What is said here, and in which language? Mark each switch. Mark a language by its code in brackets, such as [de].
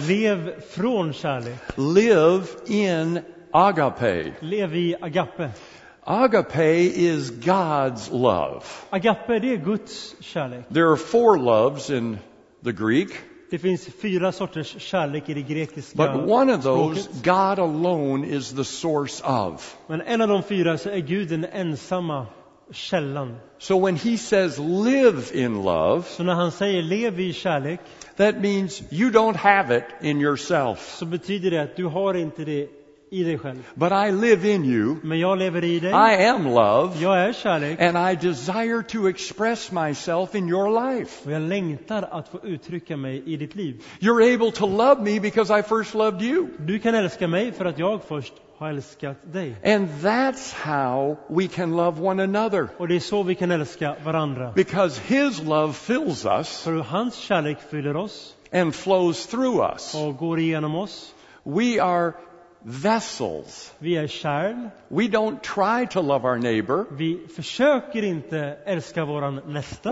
[sv] Lev från kärlek. [en] Live in agape. [sv] Lev i agape. [en] Agape is God's love. [sv] Agape, det är Guds kärlek. [en] There are four loves in the Greek. [sv] Det finns fyra sorters kärlek i det grekiska språket. [en] But one of those, God alone is the source of. [sv] Men en av de fyra så är Gud den ensamma källan. [en] So when he says live in love, [sv] så när han säger lev i kärlek, [en] that means you don't have it in yourself. [sv] Så betyder det att du har inte det i dig själv. [en] But I live in you. [sv] Men jag lever i dig. [en] I am love. [sv] Jag är kärlek. [en] And I desire to express myself in your life. [sv] Och jag längtar att få uttrycka mig i ditt liv. [en] You're able to love me because I first loved you. [sv] Du kan älska mig för att jag först har älskat dig. [en] And that's how we can love one another. [sv] Och det är så vi kan älska varandra. [en] Because his love fills us. [sv] För hans kärlek fyller oss. [en] And flows through us. [sv] Och går igenom oss. [en] We are vessels. [sv] Vi är kärl. [en] We don't try to love our neighbor. [sv] Vi försöker inte älska våran nästa.